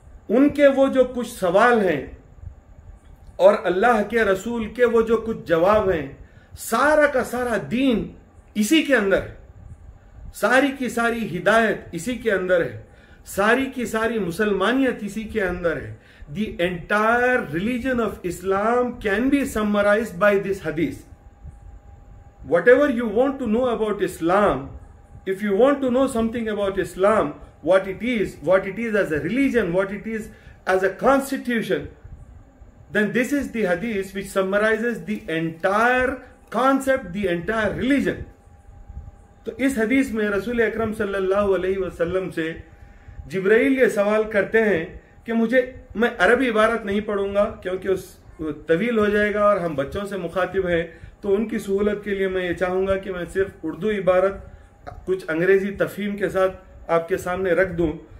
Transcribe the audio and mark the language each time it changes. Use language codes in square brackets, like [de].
[hi] उनके वो जो कुछ सवाल हैं और अल्लाह के रसूल के वो जो कुछ जवाब हैं, सारा का सारा दीन इसी के अंदर है, सारी की सारी हिदायत इसी के अंदर है, सारी की सारी मुसलमानियत इसी के अंदर है। [en] The entire religion of Islam can be summarise by this hadith. Whatever you want to know about Islam, if you want to know something about Islam, what it is as a religion, what it is as a constitution, then this is the hadith which summarizes the entire concept, the entire religion. [hi] तो इस हदीस में रसूल अकरम सल्लल्लाहु अलैहि वसल्लम से जिब्राइल ये सवाल करते हैं कि मुझे, मैं अरबी इबारत नहीं पढ़ूंगा क्योंकि उस तवील हो जाएगा और हम बच्चों से मुखातिब हैं, तो उनकी सहूलत के लिए मैं ये चाहूंगा कि मैं सिर्फ उर्दू इबारत कुछ अंग्रेजी तफहीम के साथ आपके सामने रख दूं।